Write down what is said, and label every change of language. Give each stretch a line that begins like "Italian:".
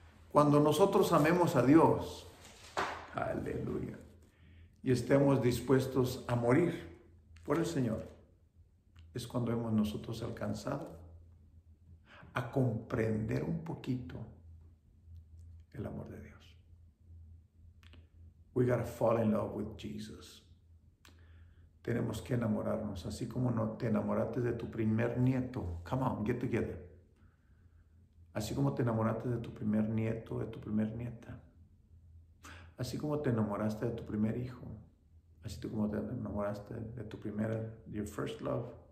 Spanish: Cuando nosotros amemos a Dios, aleluya, y estemos dispuestos a morir por el Señor, es cuando hemos nosotros alcanzado a comprender un poquito el amor de Dios.
English: We gotta fall in love with Jesus.
Spanish: Tenemos que enamorarnos, así como no te enamoraste de tu primer nieto.
English: Come on, get together.
Spanish: Así como te enamoraste de tu primer nieto, de tu primer nieta. Así como te enamoraste de tu primer hijo. Así como te enamoraste de tu primera,
English: your first love.